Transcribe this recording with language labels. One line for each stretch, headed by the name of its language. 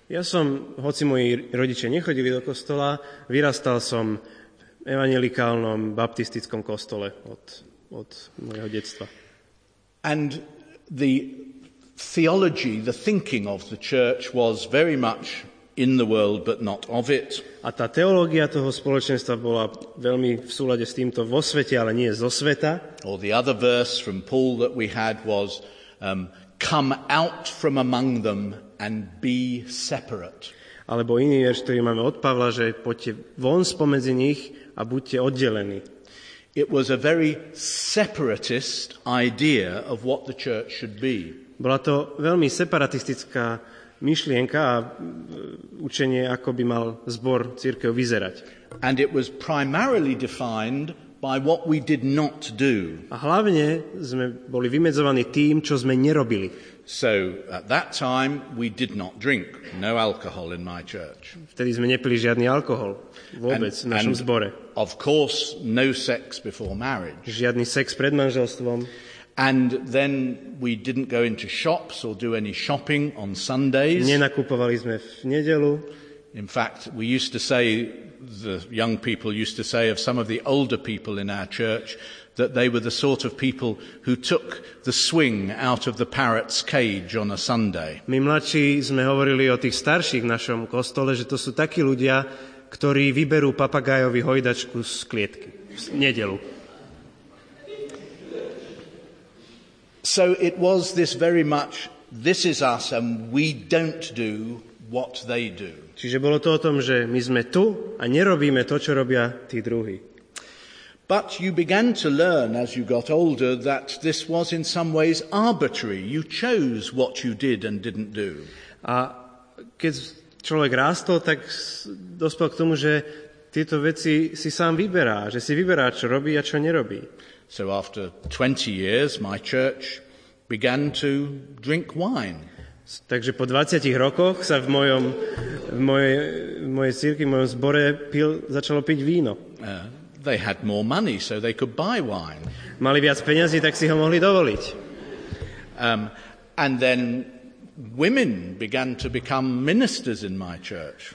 Slovak: Ja som, hoci moji rodičia nechodili do kostola, vyrastal som v evangelikálnom baptistickom kostole od mojho detstva.
English: And the theology, the thinking of the church was very much in the world but not of it.
Slovak: A tá teológia toho spoločenstva bola veľmi v súlade s týmto, vo svete, ale nie zo sveta.
English: Or the other verse from Paul that we had was come out from among them and be separate.
Slovak: Alebo iný verš, ktorý máme od Pavla, že poďte von spomedzi nich a buďte oddelení.
English: It was a very separatist idea of what the church should be.
Slovak: Bola to veľmi separatistická myšlienka a učenie, ako by mal zbor cirkev vyzerať.
English: And it was primarily defined by what we did not do.
Slovak: A hlavne sme boli vymedzovaní tým, čo sme nerobili.
English: So at that time we did not drink, no alcohol in my church.
Slovak: Vtedy sme nepili žiadny alkohol vôbec v našom zbore.
English: Of course, no sex before marriage.
Slovak: Žiadny sex pred manželstvom.
English: And then we didn't go into shops or do any shopping on Sundays.
Slovak: Nenakupovali sme v nedeľu.
English: In fact, we used to say, the young people used to say of some of the older people in our church that they were the sort of people who took the swing out of the parrot's cage on a Sunday.
Slovak: My mladší sme hovorili o tých starších v našom kostole, že to sú takí ľudia, ktorí vyberú papagájovi hojdačku z klietky v nedeľu.
English: So it was this very much, this is us and we don't do what they do.
Slovak: Čiže bolo to o tom, že my sme tu a nerobíme to, čo robia tí druhí.
English: But you began to learn as you got older that this was in some ways arbitrary. You chose what you did and didn't do.
Slovak: A keď človek rástol, tak dospel k tomu, že tieto veci si sám vyberá, že si vyberá, čo robí a čo nerobí.
English: So after 20 years my church began to drink wine.
Slovak: Takže po 20 rokoch sa v mojej cirkvi, v mojom zbore začalo piť víno.
English: They had more money, so they could buy wine.
Slovak: Mali viac peňazí, tak si ho mohli dovoliť.
English: And then women began to become ministers in my church.